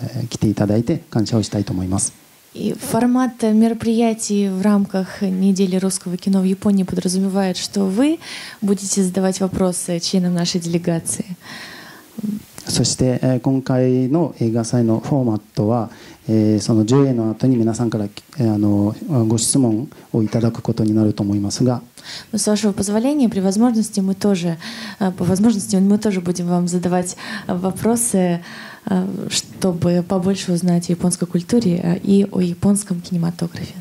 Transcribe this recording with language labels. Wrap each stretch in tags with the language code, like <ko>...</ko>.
<ja>こんにちは。私たちの代表団の何人か日本は初めてですので、皆さんに心から本日の開会式に来ていただいて感謝をしたいと思います。</ja> <ru>И формат мероприятий в рамках недели русского кино в Японии подразумевает, что вы будете задавать вопросы членам нашей делегации.</ru> <ja>そして今回の映画祭のフォーマットは、その上映の後に皆さんからご質問をいただくことになると思いますが。</ja> <ru>Но с вашего позволения, при возможности мы тоже, будем вам задавать вопросы, чтобы побольше узнать о японской культуре и о японском кинематографе.</ru>